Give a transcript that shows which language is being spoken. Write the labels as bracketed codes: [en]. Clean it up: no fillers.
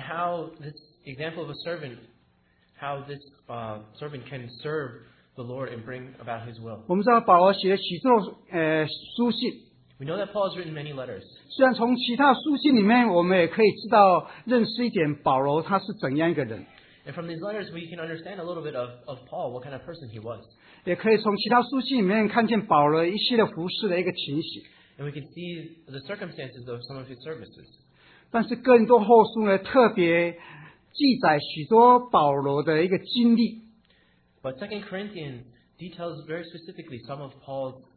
[en] how this example of a servant, how this servant can serve the Lord and bring about his will. [zh] 我们知道保罗写了许多书信。 [en] We know that Paul has written many letters. [zh] 虽然从其他书信里面，我们也可以知道认识一点保罗他是怎样一个人。 [en] And from these letters, we can understand a little bit of Paul, what kind of person he was. [zh] 也可以从其他书信里面看见保罗一系列服事的一个情形。 [en] And we can see the circumstances of some of his services. [zh] 但是哥林多后书呢，特别记载许多保罗的一个经历。 [en] But 2 Corinthians details very specifically some of Paul's.